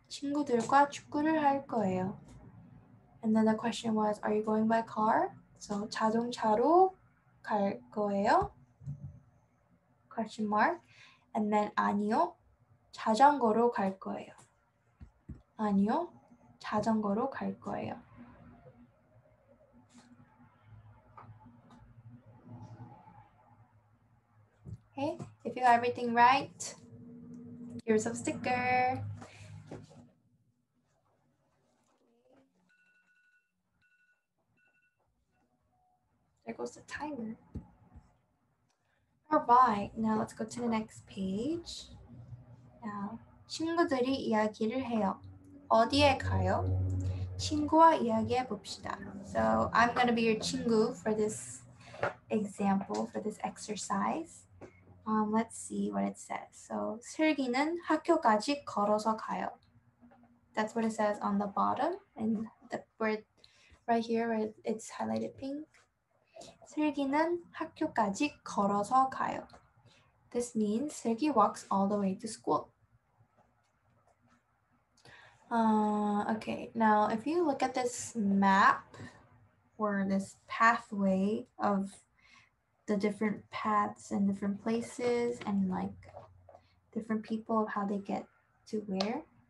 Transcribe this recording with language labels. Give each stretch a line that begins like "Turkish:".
Korean: 친구들과 축구를 할 거예요.
English: And then the question was, are you going by car?
Korean: So, 자동차로 갈 거예요?
English: Question mark. And then,
Korean: 아니요, 자전거로 갈 거예요. 아니요, 자전거로 갈 거예요.
English: Okay. Okay, if you got everything right, here's a sticker. There goes the timer. All right, now let's go to the next page.
Korean: Now, 친구들이 이야기를 해요. 어디에 가요? 친구와 이야기해 봅시다.
English: So I'm gonna be your 친구for this example, for this exercise. Let's see what it says.
Korean: So 슬기는 학교까지 걸어서 가요.
English: That's what it says on the bottom, and the word right here where it's highlighted pink.
Korean: 슬기는 학교까지 걸어서 가요.
English: This means 슬기 walks all the way to school. Okay, now if you look at this map or this pathway of the different paths and different places and like different people of how they get to where.